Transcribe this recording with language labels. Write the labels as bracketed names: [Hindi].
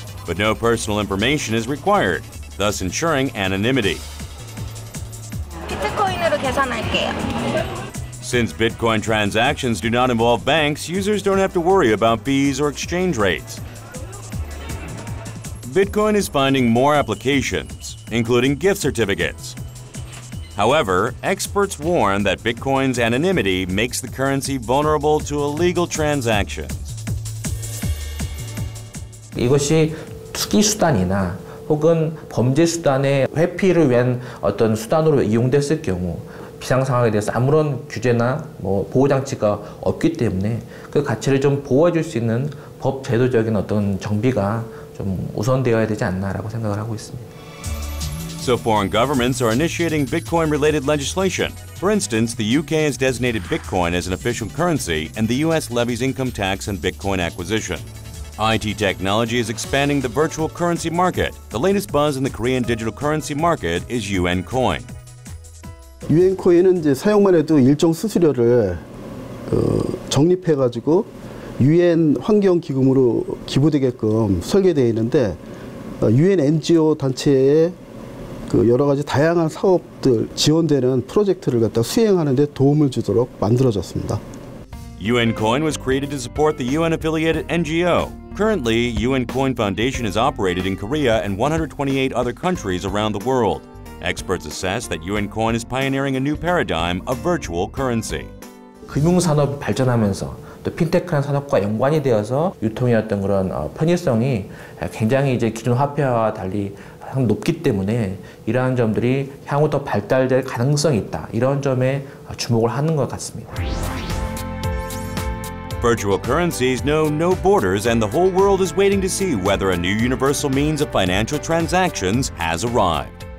[English] but no personal information is required, thus ensuring anonymity. [Korean] 비트코인으로 계산할게요. [English] Since Bitcoin transactions do not involve banks, users don't have to worry about fees or exchange rates. Bitcoin is finding more applications, including gift certificates. However, experts warn that Bitcoin's anonymity makes the currency vulnerable to illegal transactions. [Korean] 이것이 투기 수단이나 혹은 범죄 수단의 회피를 위한 어떤 수단으로 이용됐을 경우 비상 상황에 대해서 아무런 규제나 뭐 보호 장치가 없기 때문에 그 가치를 좀 보호해 줄 수 있는 법 제도적인 어떤 정비가 좀 우선되어야 되지 않나라고 생각을 하고 있습니다. [English] So foreign governments are initiating Bitcoin-related legislation. For instance, the UK has designated Bitcoin as an official currency, and the US levies income tax on Bitcoin acquisition. IT technology is expanding the virtual currency market. The latest buzz in the Korean digital currency market is UN coin. [Korean] UN 코인은 이제 사용만 해도 일정 수수료를 적립해가지고 UN 환경기금으로 기부되게끔 설계되어 있는데 UN NGO 단체의 그 여러 가지 다양한 사업들 지원되는 프로젝트를 갖다 수행하는 데 도움을 주도록 만들어졌습니다. [English] UN coin was created to support the UN affiliated NGO. Currently, UN coin foundation is operated in Korea and 128 other countries around the world. Experts assess that UN coin is pioneering a new paradigm of virtual currency. [Korean] 금융 산업이 발전하면서 또 핀테크란 산업과 연관이 되어서 유통의 어떤 그런 편의성이 굉장히 이제 기존 화폐와 달리 상 높기 때문에 이러한 점들이 향후 더 발달될 가능성이 있다. 이런 점에 주목을 하는 것 같습니다. [English] Virtual currencies know no borders and the whole world is waiting to see whether a new universal means of financial transactions has arrived.